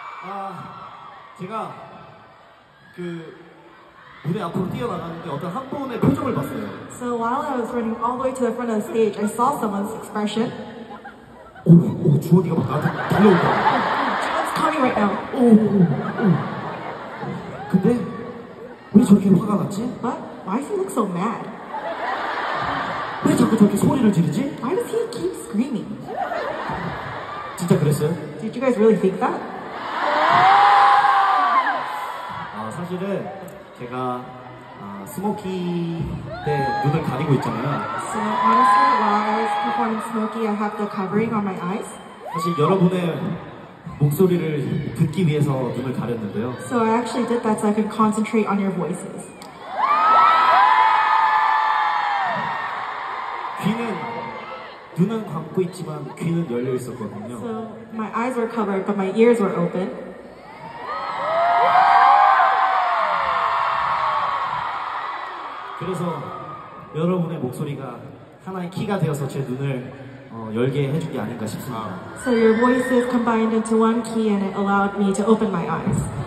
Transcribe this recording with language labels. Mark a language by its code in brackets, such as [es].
[ko] Ah, 제가 그 무대 앞으로 뛰어나갔는데 어떤 한 분의 표정을 봤어요. [en] So while I was running all the way to the front of the stage, I saw someone's expression. [ko] Oh, oh, 주원이가 막 나한테 달려온다. [en] Oh, Juhon's coming right now. Oh, oh, oh. [ko] 근데 왜 저렇게 화가 났지? [en] What? Why does he look so mad? [ko] 왜 자꾸 저렇게 소리를 지르지? [en] Why does he keep screaming? [ko] 진짜 그랬어요? [en] Did you guys really think that? [ko] 아, 사실은 제가 스모키 때 눈을 가리고 있잖아요. [en] So honestly, while I was performing Smoky, I have the covering on my eyes. [ko] 사실 여러분의 목소리를 듣기 위해서 눈을 가렸는데요. [en] So I actually did that so I could concentrate on your voices. [ko] 귀는 눈은 감고 있지만 귀는 열려 있었거든요. [en] So my eyes were covered, but my ears were open. [ko] 그래서 여러분의 목소리가 하나의 키가 되어서 제 눈을 열게 해준 게 아닌가 싶습니다. [en] So your voices combined into one key and it allowed me to open my eyes.